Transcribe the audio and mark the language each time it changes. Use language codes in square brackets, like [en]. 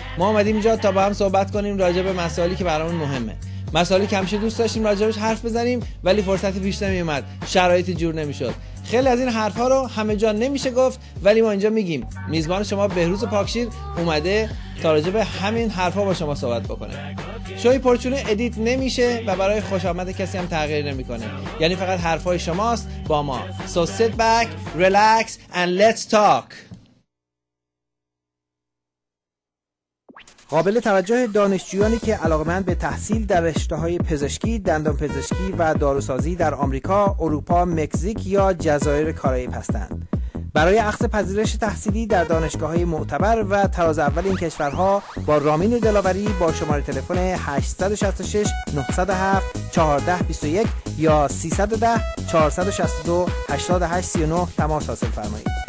[fa] ما اومدیم اینجا تا با هم صحبت کنیم راجع به مسائلی که برامون مهمه، مسائلی که همیشه دوست داشتیم راجعش حرف بزنیم ولی فرصت پیش نمی اومد، شرایط جور نمیشد. خیلی از این حرفا رو همه جا نمیشه گفت ولی ما اینجا میگیم. میزبان شما بهروز پاکشیر اومده تا راجع به همین حرفا با شما صحبت بکنه. شوی پرچونه ادیت نمیشه و برای خوش آمد کسی هم تغییر نمیکنه، یعنی فقط حرفای شماست با ما. [en] So sit back, relax and let's talk. [fa] قابل توجه دانشجویانی که علاقمند به تحصیل در رشته‌های پزشکی، دندانپزشکی و داروسازی در آمریکا، اروپا، مکزیک یا جزایر کارائیب هستند. برای اخذ پذیرش تحصیلی در دانشگاه‌های معتبر و تراز اول این کشورها با رامین دلاوری با شماره تلفن 866-907-1421 یا 310-462-8839 تماس حاصل فرمایید.